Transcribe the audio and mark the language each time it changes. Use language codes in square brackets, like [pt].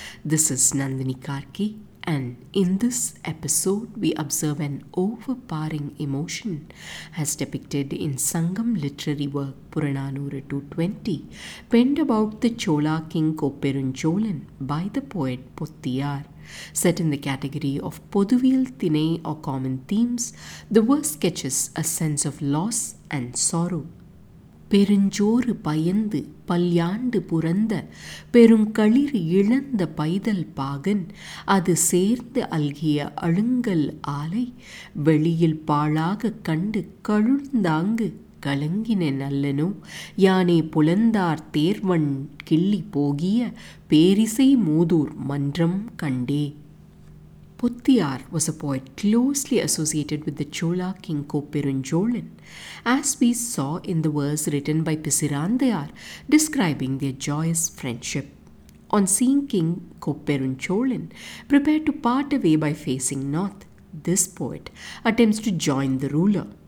[en] This is Nandini Karki, and in this episode we observe an overpowering emotion as depicted in Sangam literary work Puranaanooru 220, penned about the Chozha King Koperunchozhan by the poet Poththiyaar. Set in the category of Pothuviyal Thinai or common themes, the verse sketches a sense of loss and sorrow. [ta] பெருஞ்சோறு பயந்து பல்யாண்டு புறந்த பெருங்களிர் இழந்த பைதல் பாகன் அது சேர்ந்து அல்கிய அழுங்கல் ஆலை வெளியில் பாழாக கண்டு கழுந்தாங்கு கலங்கின நல்லனோ யானே புலந்தார் தேர்வன் கிள்ளி போகிய பேரிசை மூதூர் மன்றம் கண்டே. [en] Poththiyaar was a poet closely associated with the Chozha King Koperunchozhan, as we saw in the verse written by Pisirandayar describing their joyous friendship. On seeing King Koperunchozhan prepared to part away by facing north, this poet attempts to join the ruler.